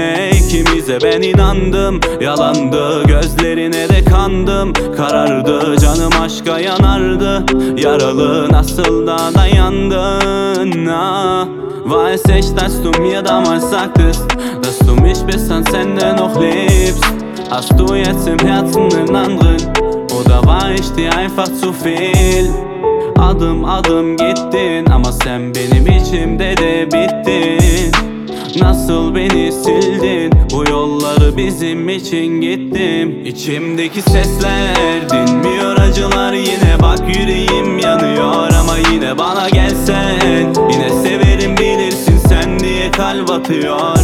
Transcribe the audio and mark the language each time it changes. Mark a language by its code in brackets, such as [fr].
[tr] İkimize ben inandım, yalandı. Gözlerine de kandım, karardı. Canım aşka yanardı, yaralı. Nasıl da dayandın? [de] Weiß ich, dass du mir damals sagtest, dass du mich bis an Ende noch liebst. Hast du jetzt im Herzen einen anderen, oder war ich dir einfach zu viel? [tr] Adım adım gittin, ama sen benim içimde de bittin. Nasıl beni sildin, bu yolları bizim için gittim. İçimdeki sesler dinmiyor, acılar yine. Bak yüreğim yanıyor ama yine bana gelsen, yine severim bilirsin sen diye kalp atıyor.